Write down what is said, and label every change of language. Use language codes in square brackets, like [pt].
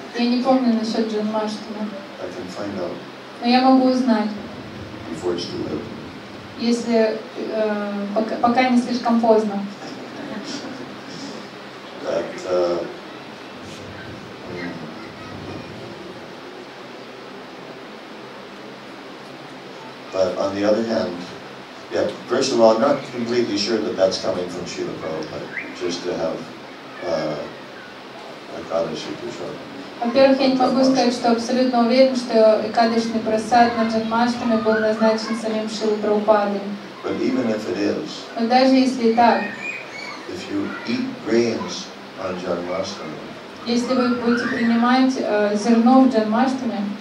[ru] Я не помню насчет Джон Мастина. [en] I can find out. [ru] Но я могу узнать. [en] Before it's too late. [ru] Если пока не слишком поздно. [en] That, But on the other hand, yeah, first of all, I'm not completely sure that that's coming from Srila Prabhupada, just to have Ekadashi Prasad. [ru] Во-первых, я не могу сказать, что абсолютно уверен, что Экадашный Прасад на Джанмаштами был назначен самим Шрилой Прабхупадой. Но даже если так, [en] if you eat grains on Janmashtami, [ru] если вы будете принимать зерно в Джанмаштами,